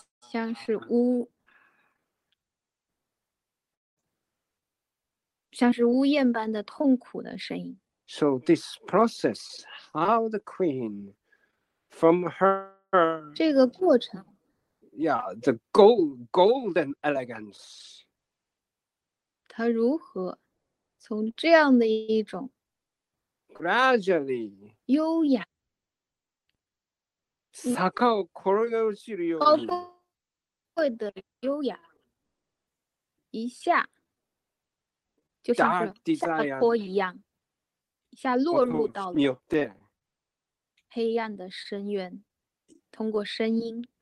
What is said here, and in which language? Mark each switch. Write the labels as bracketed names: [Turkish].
[Chinese] 像是呜，像是呜咽般的痛苦的声音。 [English] So this process, how the queen, from her, [Chinese] 这个过程。 [English] Yeah, the golden elegance. [Chinese] 他如何从这样的一种 [English] gradually [Chinese] 优雅 [Japanese] 坂を転げ落ちるように [Chinese] 高峰会的优雅一下就像是下坡一样一下落入到了黑暗的深渊通过声音